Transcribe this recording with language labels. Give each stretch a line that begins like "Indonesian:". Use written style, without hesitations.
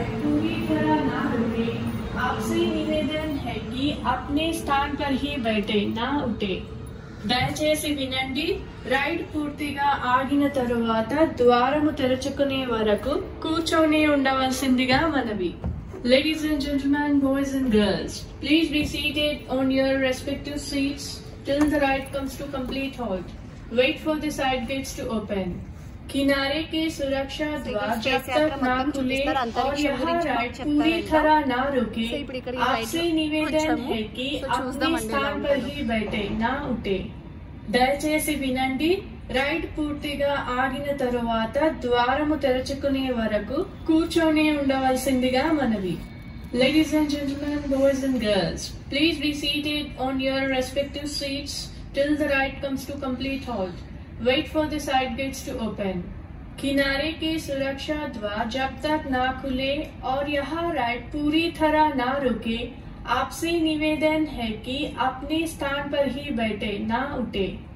Hindi: आपसे निवेदन है कि अपने स्थान पर ही बैठे ना उठे।
Telugu: దయచేసి వినండి, రైడ్ పూర్తిగా ఆగిన తరువాత ద్వారము తెరుచుకునే వరకు కూర్చొని ఉండవలసిందిగా మనవి.
English: Ladies and gentlemen, boys and girls, please be seated on your respective seats till the ride comes to complete halt. Wait for the side gates to open.
Hindi: किनारे के सुरक्षा द्वार न खुले और यहाँ राइड पूरी तरह न रुके। आपसे निवेदन है कि अपने स्थान पर ही बैठे न उठे।
Telugu: దయచేసి వినండి, రైడ్ పూర్తిగా ఆగిన తరువాత ద్వారము తెరుచుకునే వరకు కూర్చొని ఉండవలసిందిగా మనవి.
English: Ladies and gentlemen, boys and girls, please be seated on your respective seats till the ride comes to complete halt. Wait for the side gates to open.
Hindi: किनारे के सुरक्षा द्वार जब तक ना खुले और यहाँ राइड पूरी तरह ना रुके, आपसे निवेदन है कि अपने स्थान पर ही बैठे ना उठे।